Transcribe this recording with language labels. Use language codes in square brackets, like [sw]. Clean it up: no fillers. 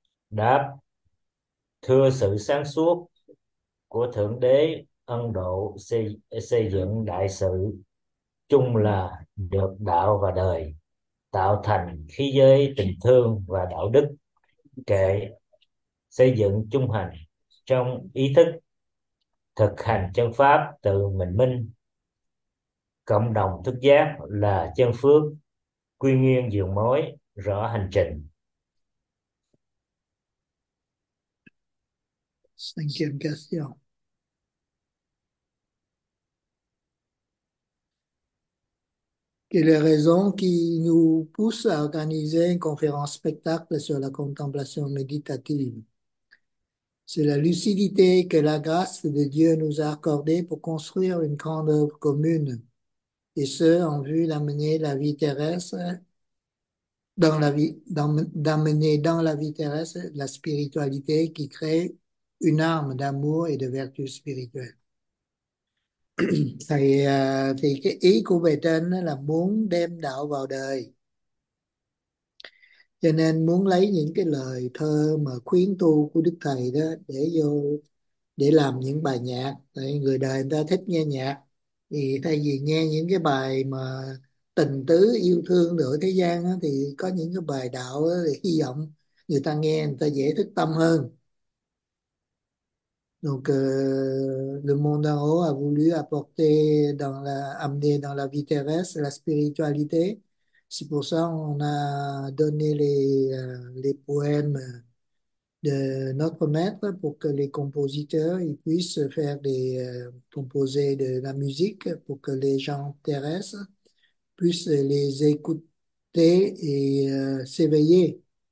[vi] Đáp: thưa sự sáng suốt của Thượng Đế Ấn Độ xây dựng đại sự, chung là được đạo và đời, tạo thành khí giới tình thương và đạo đức kệ, xây dựng chung hành trong ý thức, thực hành chân pháp tự mình minh, cộng đồng thức giác là chân phước, quy nguyên dường mối, rõ hành trình. Xin kiểm [fr] Quelle est la raison qui nous pousse à organiser une conférence spectacle sur la contemplation méditative? C'est la lucidité que la grâce de Dieu nous a accordée pour construire une grande œuvre commune, et ce, en vue d'amener la vie terrestre dans la vie, d'amener dans la vie terrestre la spiritualité qui crée une arme d'amour et de vertu spirituelle. [vi] Thì cái ý của bài trên là muốn đem đạo vào đời, cho nên muốn lấy những cái lời thơ mà khuyến tu của Đức Thầy đó để vô để làm những bài nhạc. Tại người đời người ta thích nghe nhạc thì thay vì nghe những cái bài mà tình tứ yêu thương nửa thế gian đó, thì có những cái bài đạo đó, thì hy vọng người ta nghe người ta dễ thức tâm hơn. [fr] Donc, le monde en haut a voulu apporter dans la, amener dans la vie terrestre la spiritualité. C'est pour ça qu'on a donné les poèmes de notre maître pour que les compositeurs ils puissent faire composer de la musique pour que les gens terrestres puissent les écouter et s'éveiller.